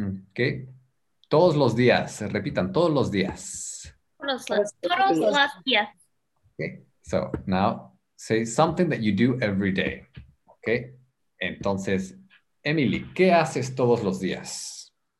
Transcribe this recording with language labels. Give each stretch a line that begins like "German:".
Spanish: Okay, todos los días, repitan, todos los días. Todos los días.
English: Okay, so now say something that you do every day.
Spanish: Okay, entonces, Emily, ¿qué haces todos los días?